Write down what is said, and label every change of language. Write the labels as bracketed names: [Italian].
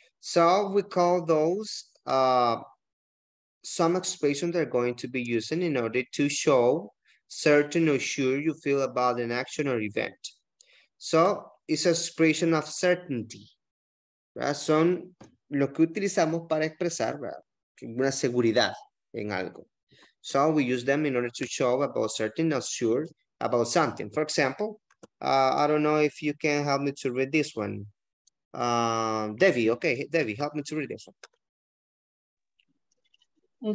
[English] So we call those some expressions they're going to be using in order to show certain or sure you feel about an action or event. So it's an expression of certainty. ¿Verdad? [Spanish] Son lo que utilizamos para expresar, ¿verdad?, una seguridad en algo. [English] So we use them in order to show about certain or sure about something. For example, I don't know if you can help me to read this one. Debbie, okay, Debbie, help me to read this one.